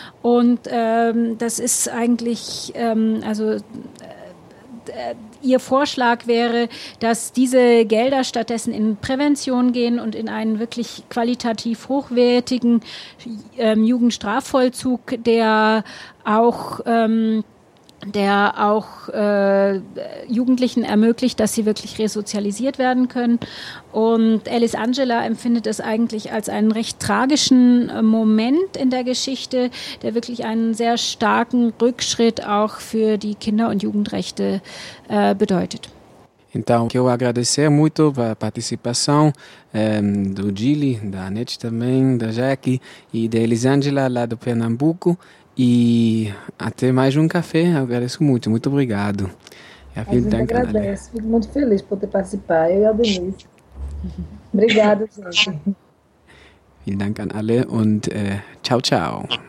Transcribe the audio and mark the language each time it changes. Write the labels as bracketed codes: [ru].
[de] Und das ist eigentlich, Ihr Vorschlag wäre, dass diese Gelder stattdessen in Prävention gehen und in einen wirklich qualitativ hochwertigen Jugendstrafvollzug, der auch Jugendlichen ermöglicht, dass sie wirklich resozialisiert werden können. Und Alice Angela empfindet es eigentlich als einen recht tragischen Moment in der Geschichte, der wirklich einen sehr starken Rückschritt auch für die Kinder- und Jugendrechte bedeutet. [pt] Então, quero agradecer muito a participação do Gili, da Anete também, da Jackie e da Alice Angela lá do Pernambuco. E até mais um café, eu agradeço muito, muito obrigado. Eu agradeço, fico muito feliz por ter participado, eu e a Denise. Obrigada, gente. [de] Vielen Dank an alle und tchau, tchau.